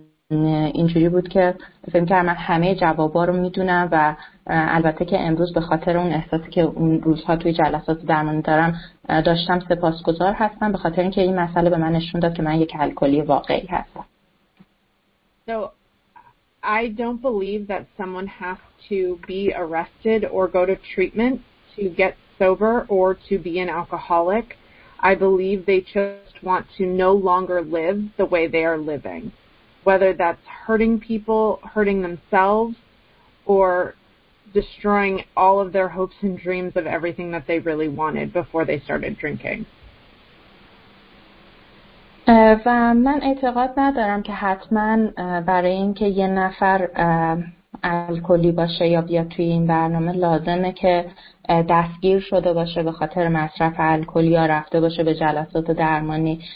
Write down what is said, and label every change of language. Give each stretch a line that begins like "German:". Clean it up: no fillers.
Persian: اینجوری بود که فکر کردم من همه جوابا رو میدونم و البته که امروز به خاطر اون احساسی که اون روزها توی جلسات درمانی دارم داشتم سپاسگزار هستم به خاطر اینکه این مسئله به من نشون داد که من یک الکلی واقعی هستم.
English: So I don't believe that someone has to be arrested or go to treatment to get sober or to be an alcoholic. I believe they just want to no longer live the way they are living. Whether that's hurting people, hurting themselves, or destroying all of their hopes and dreams of everything that they really wanted before they started drinking.
Persian: و من اعتقاد ندارم که حتما برای اینکه یه نفر الکلی باشه یا بیاد توی این برنامه لازمه که دستگیر شده باشه به خاطر مصرف الکلی یا رفته باشه به جلسات درمانی.